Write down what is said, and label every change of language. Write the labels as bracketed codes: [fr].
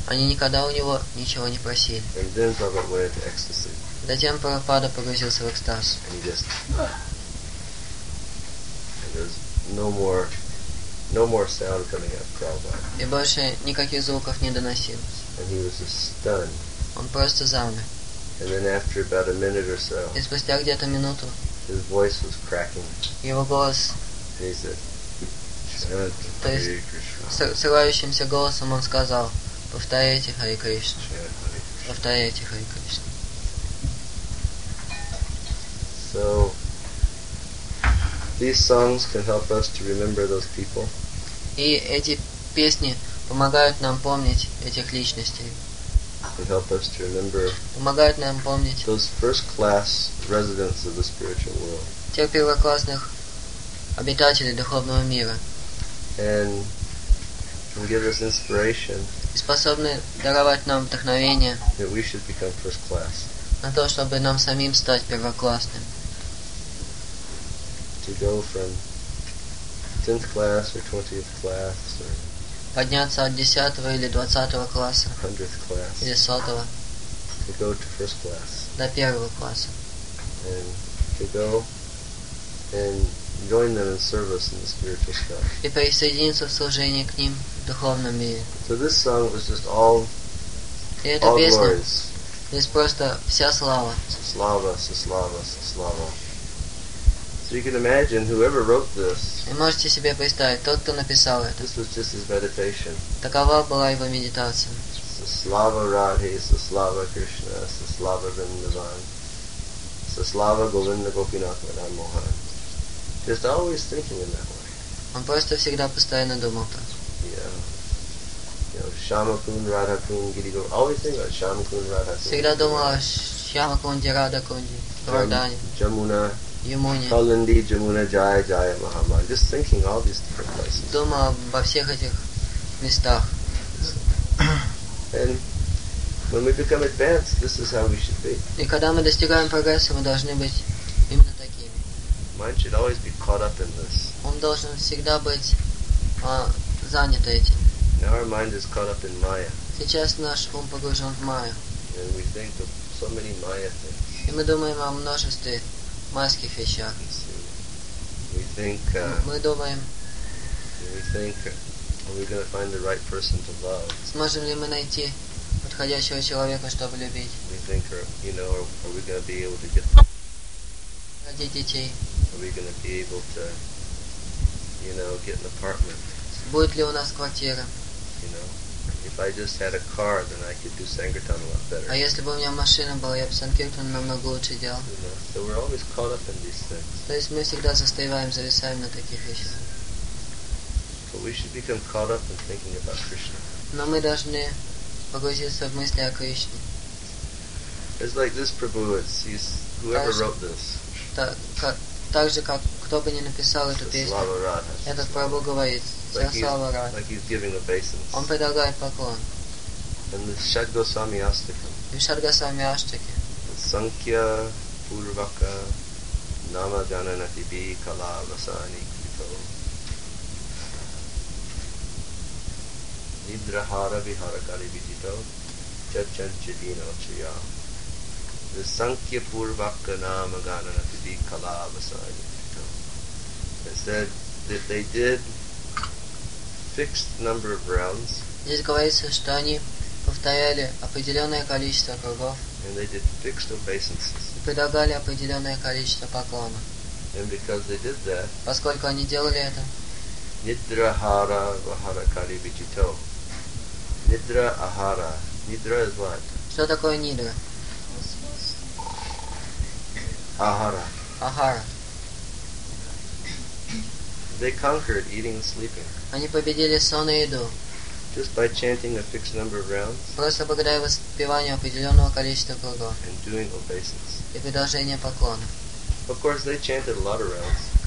[ru] Они никогда у него ничего не просили. [en] And then Prabhupada went into ecstasy. [ru] Затем Прабхупада погрузился в экстаз. [en] And he just... And there's no more sound coming out of Prabhupada. [ru] И больше никаких звуков не доносилось. [en] And he was just stunned. [ru] Он просто замер. [en] And then after about a minute or so, [ru] и спустя где-то минуту, [en] his voice was cracking. [ru] Его голос... [en] And he said, [ru] то есть, срывающимся голосом он сказал, повторяйте Хари Кришна, повторяйте Хари Кришна. [en] So, these songs can help us to remember those people. [ru] И эти песни помогают нам помнить этих личностей. [en] Can help us to remember [ru] помогают нам помнить [en] those first-class residents of the spiritual world. [ru] Тех первоклассных обитателей духовного мира. [en] And give us inspiration. [ru] И способны даровать нам вдохновение. [en] That we should become first class. [ru] На то, чтобы нам самим стать первоклассным. [en] To go from 10th class or 20th class or. [ru] Подняться от 10-го или 20-го класса. [en] 100th class. [ru] Или 100-го. [en] To go to first class. [ru] До первого класса. [en] And to go and. Join them in service in the spiritual stuff. [ru] И присоединиться в служении к ним в духовном мире. [en] So this song was just all [ru] и эта [en] all [ru] песня [en] glories. [ru] Здесь просто вся слава. Слава, слава, слава. [en] So you can imagine whoever wrote this. [ru] И можете себе представить, тот, кто написал это. [en] This was just his meditation. [ru] Такова была его медитация. Слава Радхе, слава Кришна, слава Вриндаван, слава Говинда Гопинатха Рамамохан. [en] Just always thinking in that way. [ru] Он просто всегда постоянно думал так. [en] Yeah. You know, Shyamakund, Radhakund, Giridhar. Always think about Shyamakund, Radhakund. [ru] Всегда думал о Shyamakund, Radhakund, Vardhani. [en] Jamuna. Yamuni. Kalindi, Jamuna, Jaya, Jaya, Mahamaya. Just thinking all these different places. [ru] Думал обо всех этих местах. [en] And when we become advanced, this is how we should be. [ru] И когда мы достигаем прогресса, мы должны быть именно такими. [en] Mind should always be caught up in this. [ru] Он должен всегда быть занят этим. [en] Now our mind is caught up in Maya. [ru] Сейчас наш ум погружен в Майю. [en] And we think of so many Maya things. [ru] И мы думаем о множестве майских вещах. [en] We think, are we going to find the right person to love? [ru] Сможем ли мы найти подходящего человека, чтобы любить? [en] We think, are we going to be able to get [ru] родить детей? [en] Are we going to be able to, you know, get an apartment? [ru] Будет ли у нас квартира? [en] You know, If I just had a car, then I could do Sankirtan a lot better. [ru] А если бы у меня машина была, я бы Сангиртан намного лучше делал. [en] So we're always caught up in these things. [ru] То есть мы всегда застреваем, зависаем на таких вещах. [en] But we should become caught up in thinking about Krishna. [ru] Но мы должны погрузиться в мысли о Кришне. [en] It's like this Prabhu, it's he's whoever wrote this. [ru] Так же, как кто бы ни написал эту песню, этот Прабху говорит, «Я Слава Радха». Он предлагает поклон. И Шадгасвами Аштаке. И Шадгасвами Аштаке. [sa] Санкья Пурвака Нама Ганана Тиби Кала Васани Крито Нидрахара Вихаракали Витито Чачан Чидино Чия. The Sankhya Purvaka Nama Ganana Tidhi Kala Vasani. [en] It said that they did fixed number of rounds. [ru] Здесь говорится, что они повторяли определенное количество кругов. [en] And they did fixed obeisances. [ru] И предлагали определенное количество поклонов. [en] And because they did that, [ru] поскольку они делали это, [sa] Nidra Hara Vahara Kari Vichito. Nidra Ahara. [en] Nidra is what? [ru] Что такое Nidra? [sa] Ahara. [en] They conquered eating and sleeping. [ru] Они победили сон и еду. [en] Just by chanting a fixed number of rounds. [ru] Просто благодаря воспеванию определенного количества кругов. [en] And doing obeisance. [ru] И продолжение поклона. [en] Of course, they chanted a lot of rounds.